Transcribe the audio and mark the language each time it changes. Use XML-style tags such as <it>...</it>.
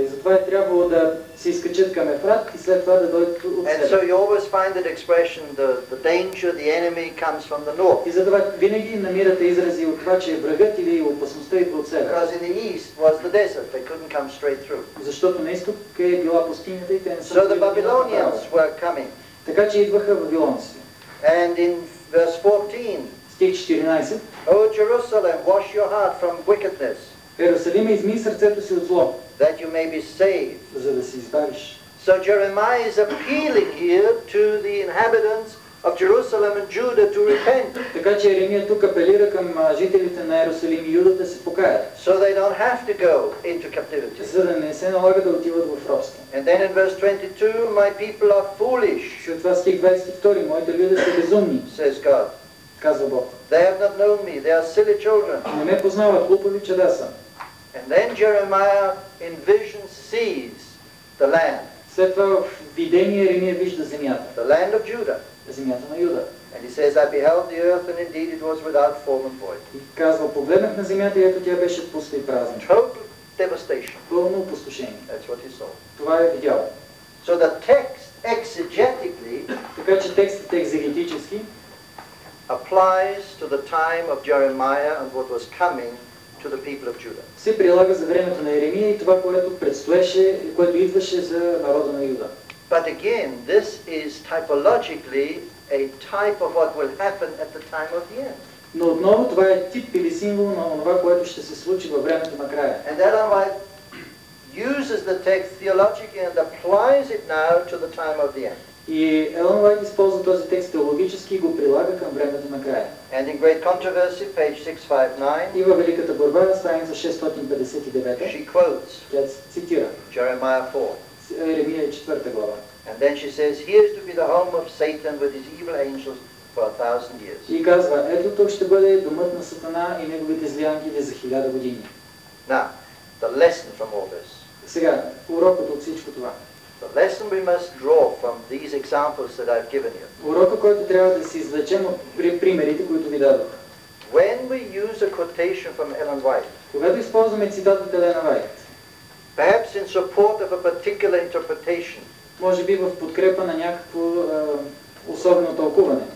<bg>И затова е трябвало да се изкачат към Ефрат и след това да дойдат от север.</bg> <en>So the danger, the enemy comes from the north.</en> <bg>И затова винаги намирате изрази от това, че врагът или опасността идва от север.</bg> <en>Because in the east was the desert. They couldn't come straight through.</en> <bg>Защото на изток е била пустинята и те не са могли да</bg> <en>Babylonians were coming.</en> <bg>Така че идваха вавилонци.</bg> <en>Verse 14. Oh Jerusalem, wash your heart from wickedness.</en> <bg>Ерусалим, измий сърцето си от зло.</bg> <en>That you may be saved.</en> <bg>За да се избавиш.</bg> <en>So Jeremiah is appealing here to the inhabitants of Jerusalem and Judah to repent.</en> <bg>Така че Еремия тук апелира към жителите на Ерусалим и Юда да се покаят.</bg> <en>So they don't have to go into captivity.</en> <bg>За да не се налага да отиват в робство.</bg> <en>And then in verse 22, my people are foolish.</en> <bg>След това стих 22, моите люди са безумни.</bg> <en>Says God.</en> <bg>Казва Бог.</bg> <en>They have not known me. They are silly children.</en> <bg>Не ме познават, глупави чада са.</bg> <en>And then Jeremiah in vision sees the land.</en> <bg>След това в видение Еремия вижда земята.</bg> <en>The land of Judah.</en> <bg>Земята на Юда.</bg> <en>And he says, I beheld the earth and indeed it was without form and void.</en> <bg>И казва, погледнах на земята и ето тя беше пуста и празна.</bg> <en>Total devastation.</en> <bg>Пълно опустошение.</bg> <en>That's what he saw.</en> <bg>Това е видял.</bg> <en>So the text exegetically,</en> <bg>така че текстът екзегетически,</bg> <en>applies to the time of Jeremiah and what was coming to the people of Judah.</en> <bg>Се прилага за времето на Еремия и това, което предстоеше и което идваше за народа на Юда.</bg> <en>But again, this is typologically a type of what will happen at the time of the end.</en> <bg>Но отново това е тип или символ на това, което ще се случи във времето на края.</bg> <en>And Ellen White uses the text theologically and applies it now to the time of the end.</en> <bg>И Ellen White използва този текст теологически и го прилага към времето на края.</bg> <en>And in Great Controversy, page 659.</en> <bg>И във Великата борба, страница 659.</bg> <en>She quotes.</en> <bg>Тя цитира.</bg> <en>Jeremiah 4.</en> <bg>Еремия 4 глава.</bg> <en>And then she says, here is to be the home of Satan with his evil angels for 1,000 years.</en> <bg>И казва, ето тук ще бъде домът на Сатана и неговите зли ангели за 1,000 години.</bg> <en>Now, the lesson from all this.</en> <bg>Сега, урокът от всичко това.</bg> <en>The lesson we must draw from these examples that I've given you.</en> <bg>Урокът, който трябва да си извлечем от примерите, които ви дадох.</bg> <en>When we use a quotation from Ellen White.</en> <bg>Когато използваме цитат от Елена Вайт.</bg> <en>Perhaps in support of a particular interpretation.</en> <bg>Може би в подкрепа на някакво особено тълкуване.</bg>